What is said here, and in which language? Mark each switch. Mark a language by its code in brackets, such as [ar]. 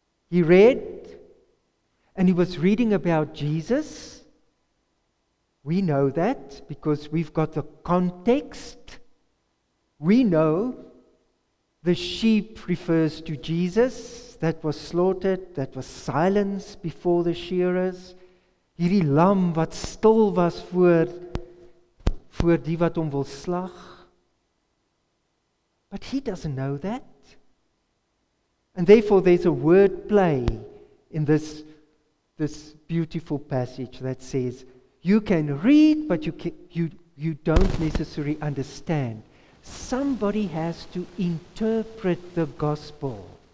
[en] He read, and he was reading about Jesus. We know that because we've got the context. We know the sheep refers to Jesus that was slaughtered, that was silenced before the shearers. [af] hierdie lam wat stil was voor die wat hom wil slag. [en] But he doesn't know that. And therefore there's a word play in this beautiful passage that says, you can read, but you don't necessarily understand. Somebody has to interpret the gospel.